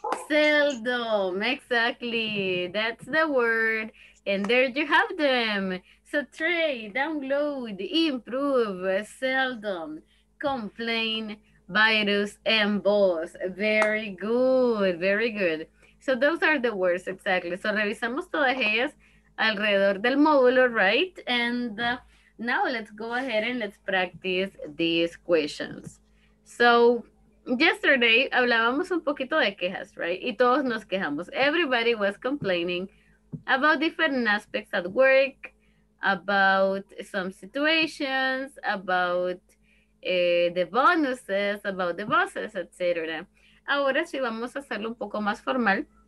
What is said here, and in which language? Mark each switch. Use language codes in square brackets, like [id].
[en] Seldom, exactly. That's the word. And there you have them. So try, download, improve, seldom, complain, virus, and boss. Very good, very good. So those are the words, exactly. [es] So revisamos todas ellas alrededor del módulo, right? [en] And now let's go ahead and let's practice these questions. So yesterday, [es] hablábamos un poquito de quejas, right? Y todos nos quejamos. [en] Everybody was complaining about different aspects at work, about some situations, about the bonuses, about the bosses, etc. [es] Ahora sí vamos a hacerlo un poco más formal.